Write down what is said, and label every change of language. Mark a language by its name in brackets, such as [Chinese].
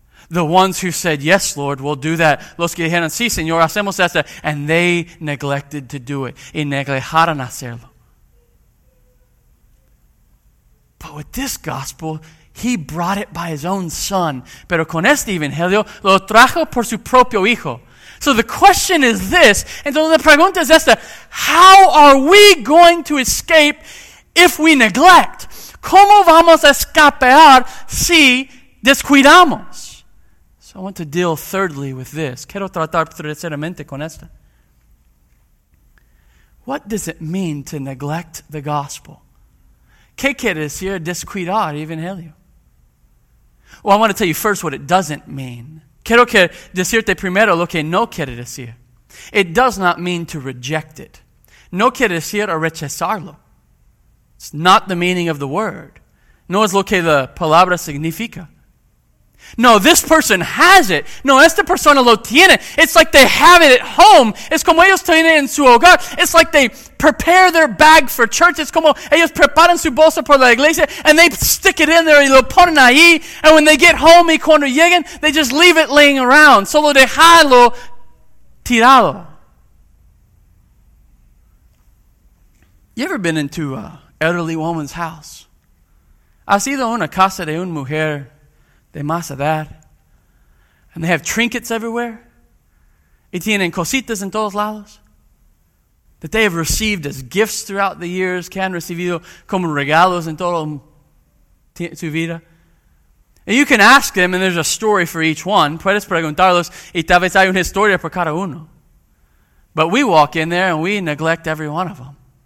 [English] The ones who said, yes, Lord, we'll do that. [Spanish] Los que dijeron, sí, Señor, hacemos esto. [English] And they neglected to do it. [Spanish] Y neglejaron hacerlo. [English] But with this gospel, he brought it by his own son. [Spanish] Pero con este evangelio, lo trajo por su propio hijo. [English] So the question is this. [Spanish] Entonces la pregunta es esta. [English] How are we going to escape if we neglect? [Spanish] ¿Cómo vamos a escapar si descuidamos? [English] So I want to deal thirdly with this. [Spanish] Quiero tratar terceramente con esta. [English] What does it mean to neglect the gospel? [Spanish] ¿Qué quiere decir descuidar evangelio? [English] Well, I want to tell you first what it doesn't mean. [Spanish] Quiero que decirte primero lo que no quiere decir. [English] It does not mean to reject it. [Spanish] No quiere decir a rechazarlo. [English] It's not the meaning of the word. [Spanish] No es lo que la palabra significa. [English] No, this person has it. [Spanish] No, esta persona lo tiene. [English] It's like they have it at home. [Spanish] Es como ellos tienen en su hogar. [English] It's like they prepare their bag for church. [Spanish] It's como ellos preparan su bolsa por la iglesia. [English] And they stick it in there [Spanish] y lo ponen ahí. [English] And when they get home [Spanish] y cuando llegan, [English] they just leave it laying around. [Spanish] Solo dejarlo tirado. [English] You ever been into an elderly woman's house? [Spanish] ¿Has ido a una casa de una mujer de más edad? [English] And they have trinkets everywhere. [Spanish] Y tienen cositas en todos lados. [English] That they have received as gifts throughout the years. [Spanish] Que han recibido como regalos en toda su vida. [English] And you can ask them, and there's a story for each one. [Spanish] Puedes preguntarlos, y tal vez hay una historia por cada uno. [English] But we walk in there, and we neglect every one of them.